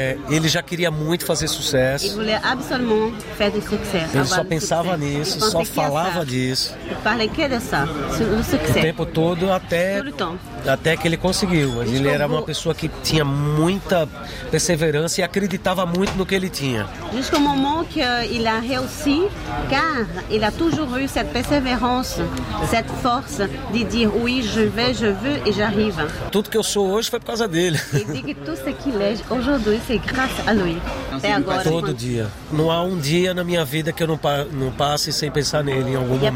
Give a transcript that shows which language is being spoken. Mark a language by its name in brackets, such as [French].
[Portuguese] Ele já queria muito fazer sucesso. Ele queria absolutamente fazer sucesso. Ele só pensava nisso, só falava disso. Eu falei que era o sucesso. O tempo todo, até... até que ele conseguiu. Ele era uma pessoa que tinha muita perseverança e acreditava muito no que ele tinha. [French] Jusqu'au moment que il a réussi, car il a toujours eu cette persévérance, cette force de dire oui, je veux et j'arrive. [Portuguese] Tudo que eu sou hoje foi por causa dele. Ele diz que tudo [French] ce qu'il est aujourd'hui, c'est grâce à lui. [Portuguese] É agora. Todo dia. Não há um dia na minha vida que eu não passe sem pensar nele em algum momento.